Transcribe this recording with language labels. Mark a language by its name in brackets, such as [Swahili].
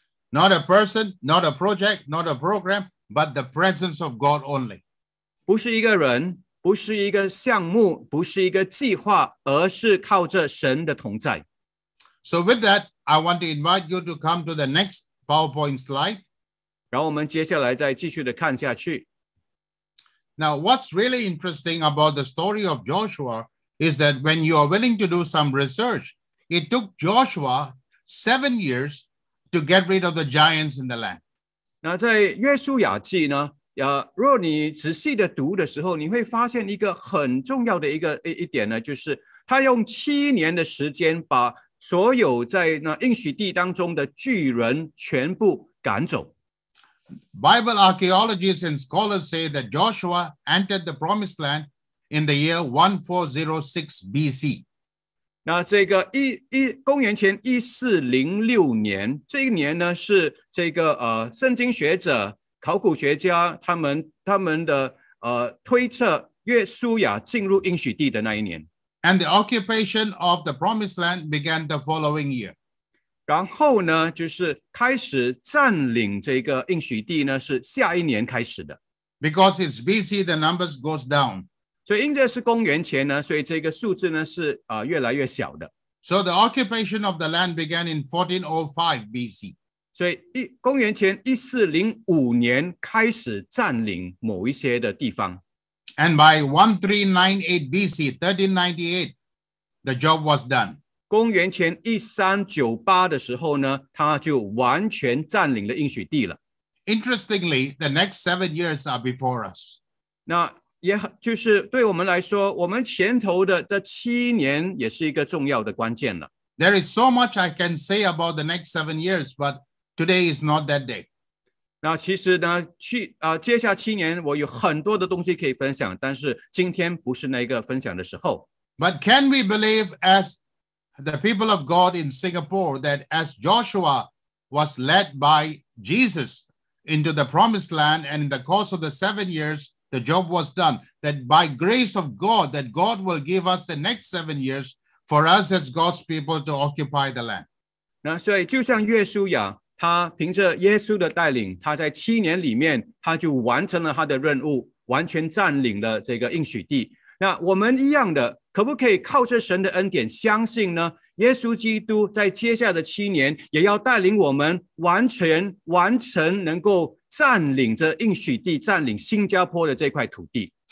[English] ？Not a person, not a project, not a program, but the presence of God only. [Chinese] 不是一个人，不是一个项目，不是一个计划，而是靠着神的同在。 [English] So with that, I want to invite you to come to the next PowerPoint slide. [Chinese] 然后我们接下来再继续的看下去。 [English] Now, what's really interesting about the story of Joshua? Is that when you are willing to do some research, it took Joshua 7 years to get rid of the giants in the land. [Chinese] 那在约书亚记呢？若你仔细的读的时候，你会发现一个很重要的一点呢，就是他用7年的时间把所有在那应许地当中的巨人全部赶走。 [English] Bible archaeologists and scholars say that Joshua entered the promised land. In the year 1406 BC. [Chinese] 那这个公元前1406年，这一年呢是这个圣经学者、考古学家他们的推测约书亚进入应许地的那一年。 [English] And the occupation of the promised land began the following year. [Chinese] 然后呢，就是开始占领这个应许地呢，是下一年开始的。 [English] Because it's BC, the numbers goes down. [Chinese] 所以因着是公元前呢，所以这个数字呢是越来越小的。 [English] So the occupation of the land began in 1405 BC. [Chinese] 所以公元前1405年开始占领某一些的地方。 [English] And by 1398 BC, 1398, the job was done. [Chinese] 公元前1398的时候呢，他就完全占领了应许地了。 [English] Interestingly, the next 7 years are before us. [Chinese] 那也就是对我们来说，我们前头的这七年也是一个重要的关键了。 [English] There is so much I can say about the next 7 years, but today is not that day. [Chinese] 那其实呢，接下七年我有很多的东西可以分享，但是今天不是那个分享的时候。 [English] But can we believe as the people of God in Singapore that as Joshua was led by Jesus into the promised land and in the course of the 7 years,The job was done. That by grace of God, that God will give us the next 7 years for us as God's people to occupy the land. [Chinese] 那所以就像约书亚，他凭着耶稣的带领，他在七年里面，他就完成了他的任务，完全占领了这个应许地。那我们一样的，可不可以靠着神的恩典相信呢？耶稣基督在接下的七年也要带领我们完成能够占领着应许地，占领新加坡的这块土地。